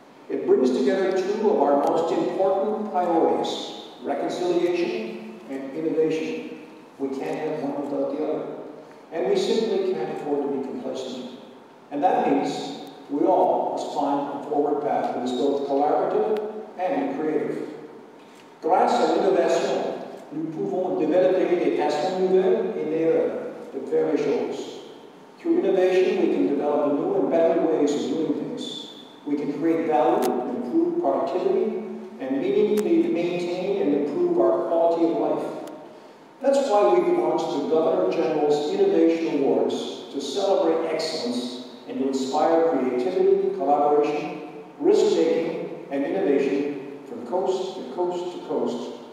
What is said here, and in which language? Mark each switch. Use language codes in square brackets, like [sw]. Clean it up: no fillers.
[en] It brings together two of our most important priorities, reconciliation and innovation. We can't have one without the other. And we simply can't afford to be complacent. And that means we all must find a forward path that is both collaborative and creative. [fr] Grâce à l'innovation, nous pouvons développer des façons nouvelles et meilleures de faire les choses. [en] Through innovation, we can develop new and better ways of doing things. We can create value, improve productivity, and meaningfully maintain and improve our quality of life. That's why we've launched the Governor General's Innovation Awards to celebrate excellence and to inspire creativity, collaboration, risk-taking, and innovation from coast to coast to coast.